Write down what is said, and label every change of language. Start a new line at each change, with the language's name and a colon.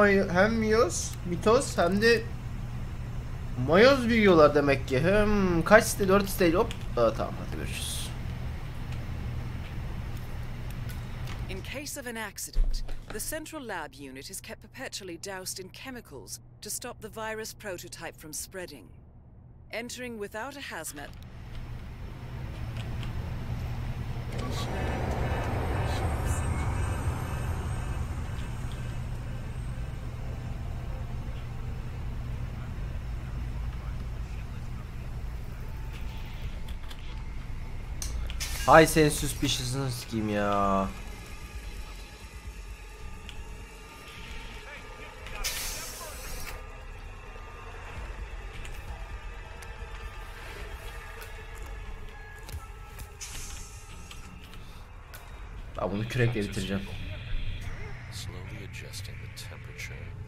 Turkish: Hem mitoz hem de mayoz büyüyorlar demek ki. Kaç site? 4 site. Hop. Tamam, hadi görüşürüz.
English: In case case of an accident, the central lab unit is kept perpetually doused in chemicals to stop the virus prototype from spreading. Entering without a hazmat.
Turkish: Ay sen suspicious'ını sikeyim ya. Ben bunu kürekle bitireceğim.
English: Slowly adjusting the temperature.